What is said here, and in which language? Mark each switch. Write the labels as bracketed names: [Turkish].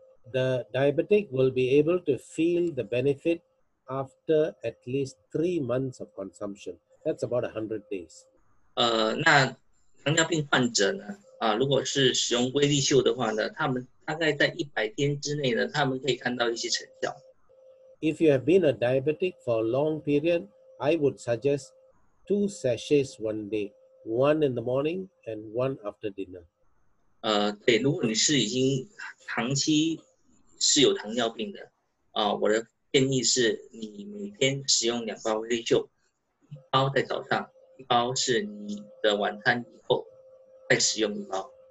[English] The diabetic will be able to feel the benefit after at least 3 months of consumption. That's about 100 days. [Chinese] 那糖尿病患者呢，如果是使用威力秀的话呢，他们大概在100天之内呢，他们可以看到一些成效。 [English] If you have been a diabetic for a long period, I would suggest 2 sachets one day, one in the morning and one after dinner. [Chinese] 对，如果你是已经长期是有糖尿病的，我的建议是你每天使用2包威力秀，一包在早上。一包是你的晚餐以后再使用一包。